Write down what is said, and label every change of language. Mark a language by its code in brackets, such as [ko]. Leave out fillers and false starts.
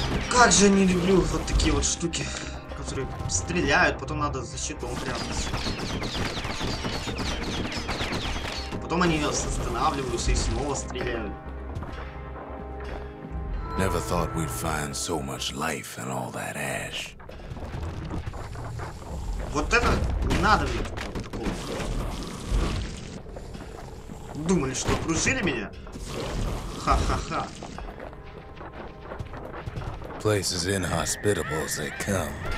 [ru] Как же я не люблю вот такие вот штуки, которые стреляют, потом надо защиту упрятаться. Потом они останавливаются и снова стреляют. [en] Never thought we'd find so much life in all that ash. [ru] Вот это не надо мне такого. Думали, что окружили меня? Ха-ха-ха. [en] place is inhospitable as they come.